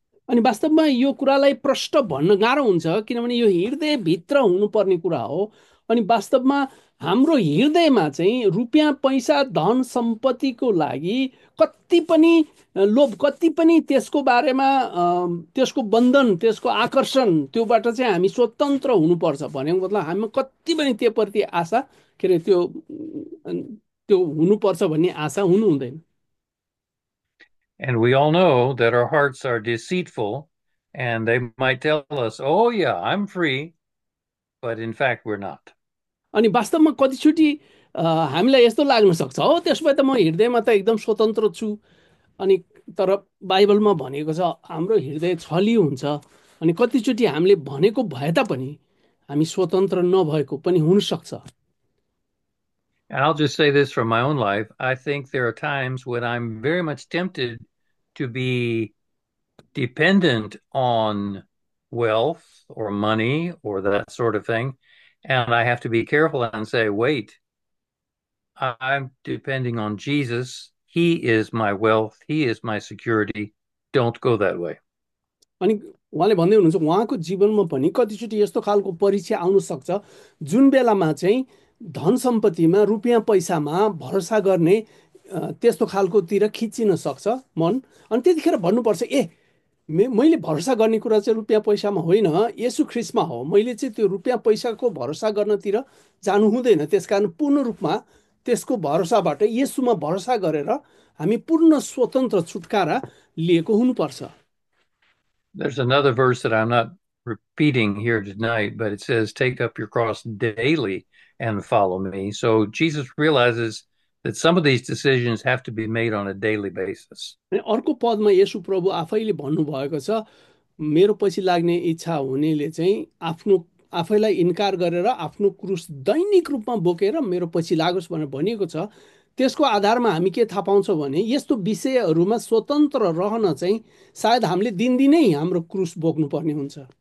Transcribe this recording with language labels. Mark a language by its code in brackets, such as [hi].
[ne] अनि वास्तवमा यो कुरालाई प्रष्ट भन्न गाह्रो हुन्छ, किनभने यो हृदयभित्र हुनुपर्ने कुरा हो, अनि वास्तवमा हाम्रो हृदयमा चाहिँ रुपियाँ पैसा धन सम्पत्तिको लागि कति पनि लोभ, कति पनि त्यसको बारेमा त्यसको बन्धन, त्यसको आकर्षण, त्योबाट चाहिँ हामी स्वतन्त्र हुनुपर्छ भन्यो, मतलब हामी कति पनि त्योप्रति आशा के अरे त्यो त्यो हुनुपर्छ भन्ने आशा हुनु हुँदैन। [en] And we all know that our hearts are deceitful, and they might tell us, oh, yeah, I'm free, but in fact, we're not. [ne] अनि वास्तवमा कतिचोटि हामीलाई यस्तो लाग्न सक्छ, हो त्यसो भए त म हृदयमा त एकदम स्वतन्त्र छु, अनि तर बाइबलमा भनेको छ हाम्रो हृदय छली हुन्छ, अनि कतिचोटि हामीले भनेको भए तापनि हामी स्वतन्त्र नभएको पनि हुनसक्छ। [en] And I'll just say this from my own life. I think there are times when I'm very much tempted to be dependent on wealth or money or that sort of thing. And I have to be careful and say, wait, I'm depending on Jesus. He is my wealth. He is my security. Don't go that way. [ne] अनि उहाँले भन्दै हुनुहुन्छ उहाँको जीवनमा पनि कतिचोटि यस्तो खालको परीक्षा आउन सक्छ जुन बेलामा चाहिँ धन सम्पत्तिमा, रुपियाँ पैसामा भरोसा गर्ने त्यस्तो खालकोतिर खिचिन सक्छ मन, अनि त्यतिखेर भन्नुपर्छ ए मैले भरोसा गर्ने कुरा चाहिँ रुपियाँ पैसामा होइन, येशु ख्रिस्टमा हो। मैले चाहिँ त्यो रुपियाँ पैसाको भरोसा गर्नतिर जानु हुँदैन। त्यसकारण पूर्ण रूपमा त्यसको भरोसाबाट, येशुमा भरोसा गरेर हामी पूर्ण स्वतन्त्र छुटकारा लिएको हुनुपर्छ। [en] There's another verse that I'm not repeating here tonight, but it says, take up your cross daily and follow me. So Jesus realizes that some of these decisions have to be made on a daily basis. [ne] अर्को पदमा येशु प्रभु आफैले भन्नुभएको छ, मेरो पछि लाग्ने इच्छा हुनेले चाहिँ आफ्नो आफैलाई इन्कार गरेर आफ्नो क्रुस दैनिक रूपमा बोकेर मेरो पछि लागोस् भनेर भनिएको छ। त्यसको आधारमा हामी के थाहा पाउँछौँ भने यस्तो विषयहरूमा स्वतन्त्र रहन चाहिँ सायद हामीले दिनदिनै हाम्रो क्रुस बोक्नुपर्ने हुन्छ।